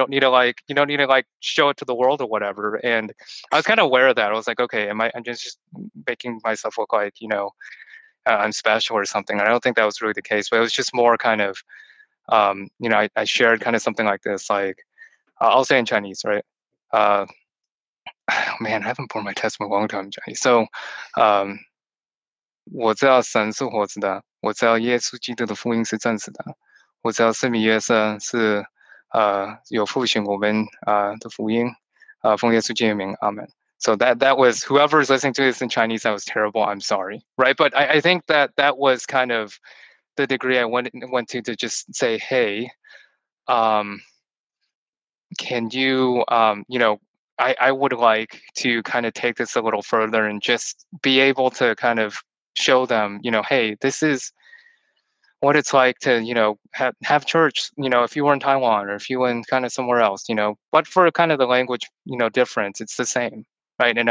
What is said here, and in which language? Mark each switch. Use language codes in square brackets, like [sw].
[en] You don't need to show it to the world or whatever. And I was kind of aware of that. I was like, okay, I'm just making myself look like, you know, I'm special or something. And I don't think that was really the case, but it was just more kind of, you know, I shared kind of something like this, like, I'll say in Chinese, right? Man, I haven't poured my testimony a long time, Johnny. [zh] So, 我知道神是活着的，我知道耶稣基督的福音是暂时的，我知道圣灵耶稣是有复兴我们的福音，奉耶稣基督的名，阿门。 [en] So that was, whoever is listening to this in Chinese, I was terrible. I'm sorry, right? But I think that that was kind of the degree I went to just say, hey, can you, you know, I would like to kind of take this a little further and just be able to kind of show them, you know, hey, this is what it's like to, you know, have church, you know, if you were in Taiwan or if you were in kind of somewhere else, you know, but for kind of the language, you know, difference, it's the same, right?